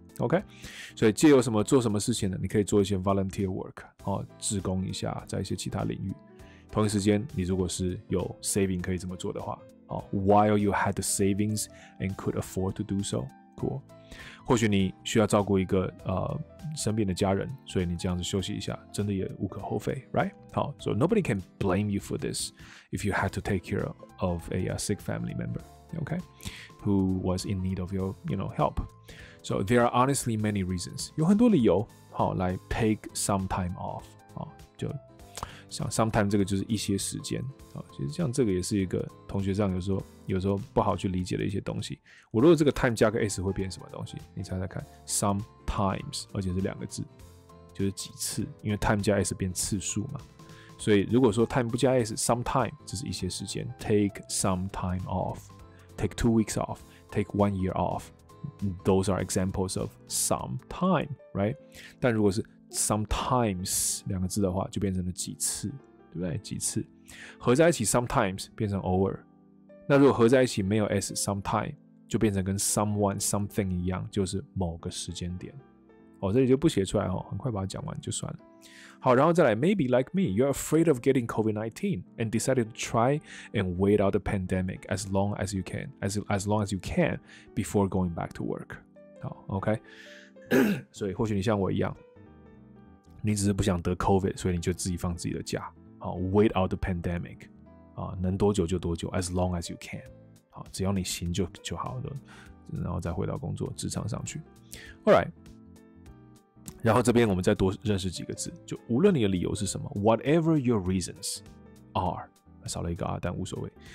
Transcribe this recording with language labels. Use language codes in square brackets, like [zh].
[zh] OK， 所以借由什么做什么事情呢？你可以做一些 [en] volunteer work， [zh] 哦，志工一下，在一些其他领域。同一时间，你如果是有 saving 可以这么做的话，哦 ， [en] while you had the savings and could afford to do so， [zh] cool。或许你需要照顾一个生病的家人，所以你这样子休息一下，真的也无可厚非 ， [en] right？好 ，so nobody can blame you for this if you had to take care of a sick family member， OK？ Who was in need of your help？ So there are honestly many reasons. [zh] 有很多理由，好来 [en] take some time off [zh] 啊，就像 sometime 这个就是一些时间啊。其实像这个也是一个同学上有时候不好去理解的一些东西。我如果这个 time 加个 s 会变什么东西？你猜猜看 ，sometimes 而且是两个字，就是几次，因为 time 加 s 变次数嘛。所以如果说 time 不加 s，sometime 这是一些时间 ， [en] take some time off，take 2 weeks off，take 1 year off。 Those are examples of sometime, right? [zh] 但如果是 sometimes 两个字的话，就变成了几次，对不对？几次合在一起 sometimes 变成 over。那如果合在一起没有 s sometime， 就变成跟 someone something 一样，就是某个时间点。哦，这里就不写出来哦，很快把它讲完就算了。 [en] 好，然后再来 ，Maybe like me, you're afraid of getting COVID-19 and decided to try and wait out the pandemic as long as you can, as long as you can before going back to work. 好 ，OK 。 [zh] 所以或许你像我一样，你只是不想得 COVID， 所以你就自己放自己的假。好 ， [en] wait out the pandemic， [zh] 啊，能多久就多久 ， [en] as long as you can。 [zh] 好，只要你行就好了，然后再回到工作职场上去。 All right。 然后这边我们再多认识几个字，就无论你的理由是什么 ， [en] whatever your reasons are， [zh] 少了一个 r， 但无所谓。